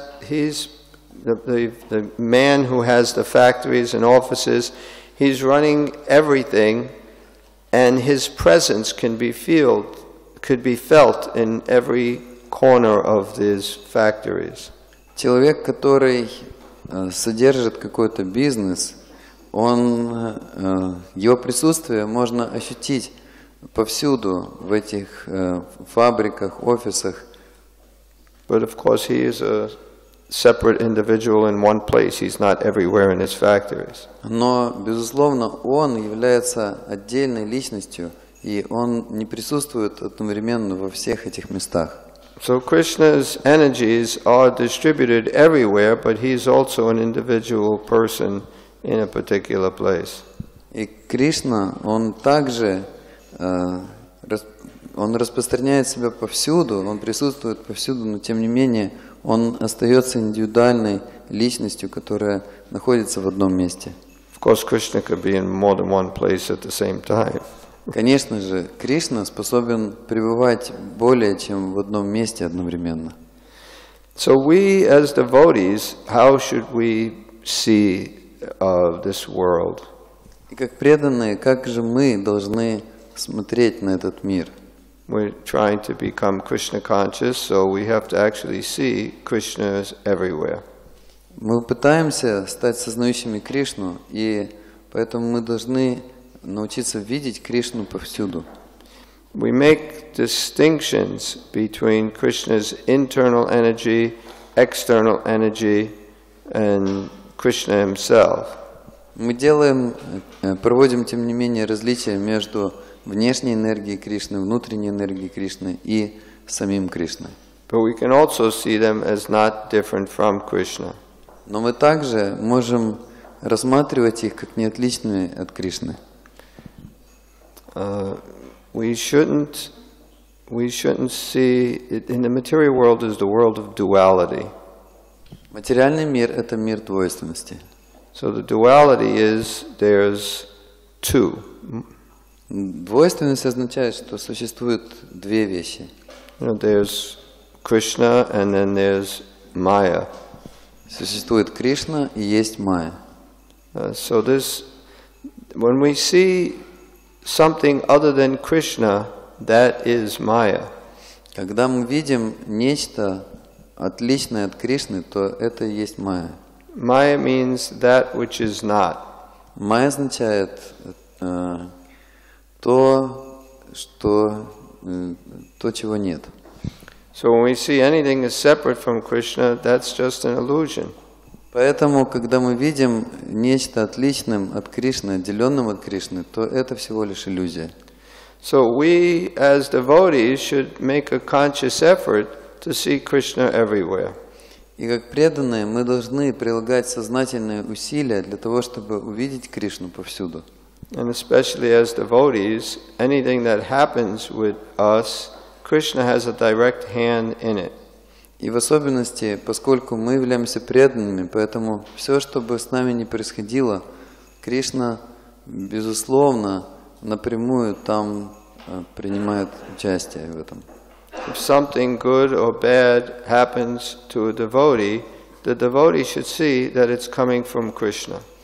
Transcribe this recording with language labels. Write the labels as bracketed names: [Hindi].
[English] He's the man who has the factories and offices. He's running everything, and his presence could be felt in every corner of these factories. [Russian] Человек, который содержит какой-то бизнес, он его присутствие можно ощутить повсюду в этих фабриках, офисах. [English] But of course, he is a separate individual in one place. He's not everywhere in his factories. [Russian] Но безусловно, он является отдельной личностью, и он не присутствует одновременно во всех этих местах. [English] So Krishna's energies are distributed everywhere, but he is also an individual person in a particular place. [Russian] И Кришна, он также Он распространяет себя повсюду, он присутствует повсюду, но тем не менее он остается индивидуальной личностью, которая находится в одном месте. [English] Of course, Krishna could be in more than one place at the same time. [Russian] Конечно же, Кришна способен пребывать более чем в одном месте одновременно. [English] So we, as devotees, how should we see this world? [Russian] И как преданные, как же мы должны смотреть на этот мир? [English] We're trying to become Krishna conscious, so we have to actually see Krishna everywhere. [Russian] Мы пытаемся стать сознающими Кришну, и поэтому мы должны научиться видеть Кришну повсюду. [English] We make distinctions between Krishna's internal energy, external energy, and Krishna himself. [Russian] Мы делаем, проводим, тем не менее, различия между внешней энергией Кришны, внутренней энергией Кришны и самим Кришной. [English] But we can also see them as not different from Krishna. [Russian] Но мы также можем рассматривать их как неотличные от Кришны. [English] We shouldn't see it in the material world as the world of duality. [Russian] Материальный мир – это мир двойственности. [English] So the duality is there's two. [Russian] Двойственность означает, что существует две вещи. [English] You know, there's Krishna and then there's Maya. [Russian] Существует Кришна и есть Майя. [English] So this, when we see something other than Krishna, that is Maya. [Russian] Когда мы видим нечто отличное от Кришны, то это и есть Майя. [English] Maya means that which is not. [Russian] Майя означает то, что то, чего нет. [English] So when we see anything is separate from Krishna, that's just an illusion. [Russian] Поэтому, когда мы видим нечто отличным от Кришны, отделенным от Кришны, то это всего лишь иллюзия. [English] So we as devotees should make a conscious effort to see Krishna everywhere. [Russian] И как преданные, мы должны прилагать сознательные усилия для того, чтобы увидеть Кришну повсюду. [English] And especially as devotees, anything that happens with us, Krishna has a direct hand in it. [Russian] И в особенности, поскольку мы являемся преданными, поэтому все, что бы с нами ни происходило, Кришна, безусловно, напрямую там принимает участие в этом. [English] If something good or bad happens to a devotee, the devotee should see that it's coming from Krishna.